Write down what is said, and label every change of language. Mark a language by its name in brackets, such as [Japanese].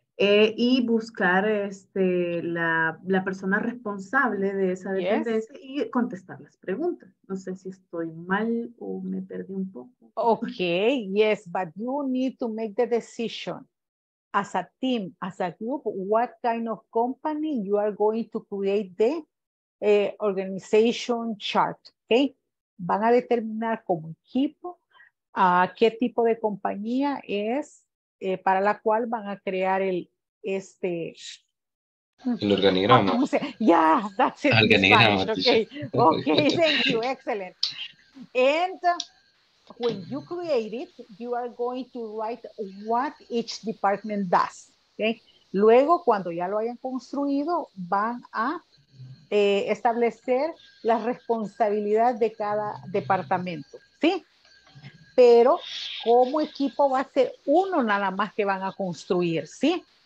[Spanish] Y buscar la persona responsable de esa dependencia y contestar las preguntas. No sé si estoy mal o me perdí un poco. [English] Ok, but you need to make the decision as a team, as a group, what kind of company you are going to create the organization chart. Okay? [Spanish] Van a determinar como equipo qué tipo de compañía es para la cual van a crear el organigrama. [English] That's it. Okay, thank you, excellent. And when you create it, you are going to write what each department does. Okay? [Spanish] Luego, cuando ya lo hayan construido, van a establecer la responsabilidad de cada departamento. ¿Sí? Pero como equipo va a ser uno nada más que van a construir, ¿sí?